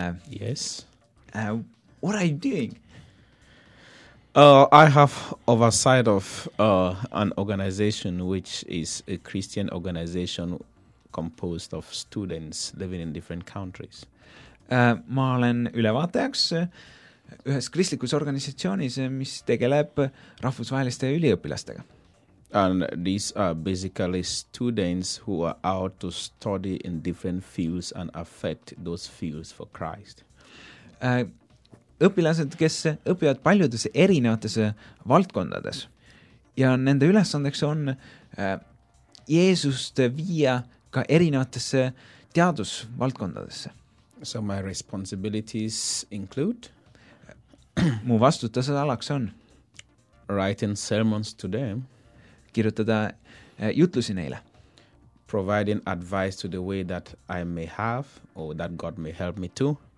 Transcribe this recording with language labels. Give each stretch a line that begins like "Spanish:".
English: Yes. What are you doing? I have oversight of an organization which is a Christian organization composed of students living in different countries.
Estonian: Ma olen ülevaatajaks ühes kristlikus organisatsioonis, mis tegeleb rahvusvaheliste üliõpilastega.
English: And these are basically students who are out to study in different fields and affect those fields for Christ.
Estonian: Õpilased, kes õpivad paljudes erinevates valdkondades ja nende ülesandeks on Jeesust viia ka erinevates teadusvaldkondadesse.
English: So my responsibilities include?
Estonian: Mu vastutuse alaks on?
English: Writing sermons to them.
Estonian: Kirjutada jutlusi neile.
English: Providing advice to the way that I may have or that God may help me to.